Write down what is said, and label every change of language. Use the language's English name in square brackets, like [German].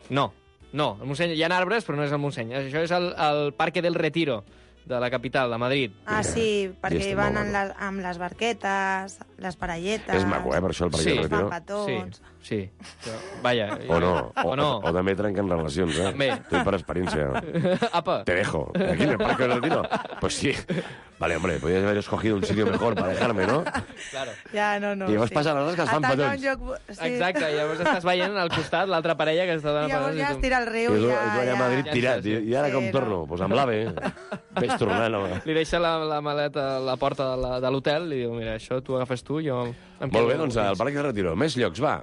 [Catalan] No, el Montseny, hi ha arbres, però no és el Montseny. Això és el Parque del Retiro. De la capital, de Madrid. Ah, sí, perquè hi van amb les barquetes, les parelletes... És maco, per això, el Parc del Retiro. Sí, fan petons. Sí. Però, vaja. O no. O també trenquen relacions, eh? Bé. Tu, per experiència. Apa. [Spanish] Te dejo. Aquí, en el Parc del Retiro. Pues sí. Vale, hombre, podrías haber escogido un sitio mejor para dejarme, ¿no? Claro. [Catalan] Ja, no. I llavors passen les que es fan petons. Exacte, llavors estàs veient al costat l'altra parella que està donant petons. I llavors ja es tira el riu, I tu allà a Madrid tirat. I ara com torno? Pues amb l'AVE. Ves tornant, home. Li deixa la maleta a la porta de l'hotel i diu, mira, això tu agafes tu, jo... Molt bé, doncs el Parc del Retiro. Més llocs, va.